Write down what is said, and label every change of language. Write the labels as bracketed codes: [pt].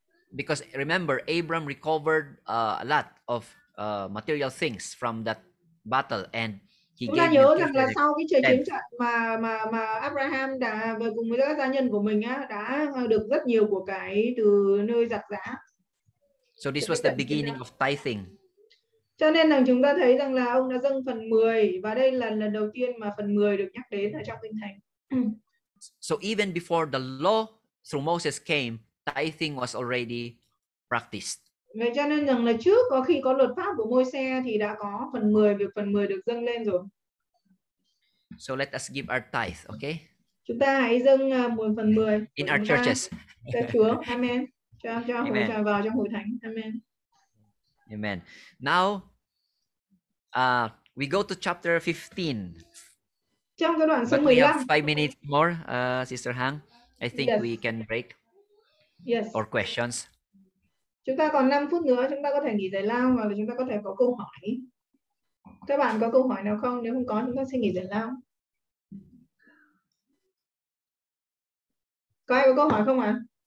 [en] Because remember, Abram recovered a lot of material things from that battle and he gave. [vi] Nhớ rằng là sau cái trận chiến mà Abraham đã về cùng với các gia nhân của mình á, đã được rất nhiều của cái từ nơi giặc giã. [en] So this was the beginning of tithing. [vi] Cho nên là chúng ta thấy rằng là ông đã dâng 1/10 và đây là lần đầu tiên mà 1/10 được nhắc đến ở trong Kinh Thánh. [en] So even before the law through Moses came, tithing was already practiced. [vi] Vậy cho nên rằng là trước có khi có luật pháp của Môi-se thì đã có 1/10, việc 1/10 được dâng lên rồi. [en] So let us give our tithe, okay? [vi] Chúng ta hãy dâng 1/10 [en] in our churches. [vi] Cho Chúa. Amen. Cho hội trà vào trong hội thánh. Amen. [en] Amen. Now, we go to chapter 15. [vi] Trong cái đoạn số 15. [en] We have 5 minutes more, Sister Hang. I think yes. We can break. Yes. Or questions. [vi] Chúng ta còn 5 phút nữa, chúng ta có thể nghỉ giải lao và chúng ta có thể có câu hỏi. Các bạn có câu hỏi nào không? Nếu không có, chúng ta sẽ nghỉ giải lao. Có ai có câu hỏi không ạ?